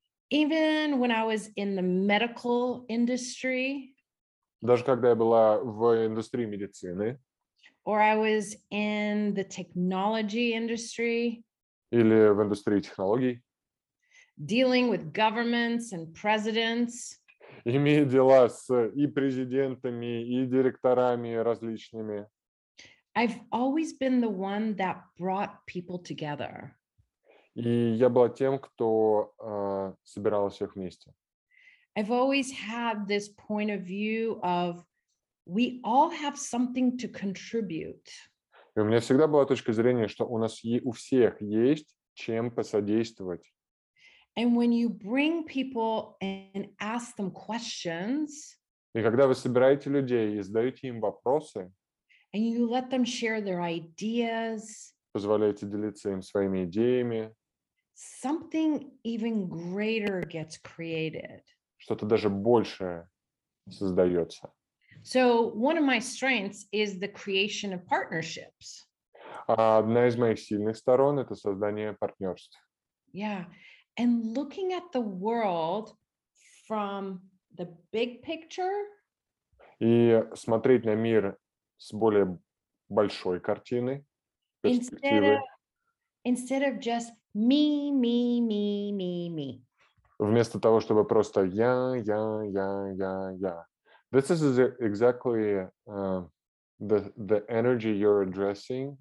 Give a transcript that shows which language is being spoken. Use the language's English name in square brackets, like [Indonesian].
[English] Even when I was in the medical industry, [Russian] даже когда я была в индустрии медицины, [English] or I was in the technology industry, [Russian] или в индустрии технологий, [English] dealing with governments and presidents, [Russian] имея дела с и президентами, и директорами различными, [English] I've always been the one that brought people together. [Russian] И я была тем, кто собирал всех вместе. [English] I've always had this point of view of we all have something to contribute. [Russian] И у меня всегда была точка зрения, что у нас у всех есть чем посодействовать. [English] And when you bring people and ask them questions, [Russian] и когда вы собираете людей и задаете им вопросы, [English] and you let them share their ideas, [Russian] позволяете делиться им своими идеями, [English] something even greater gets created. [Russian] Что-то даже большее создается. [English] So one of my strengths is the creation of partnerships. [Russian] Одна из моих сильных сторон — это создание партнерств. [English] Yeah. And looking at the world from the big picture, [Russian] и смотреть на мир с более большой картины, перспективы. [English] Instead of just me, me, me, me, me. [Russian] Вместо того, чтобы просто я, я, я, я, я. [English] This is exactly the energy you're addressing.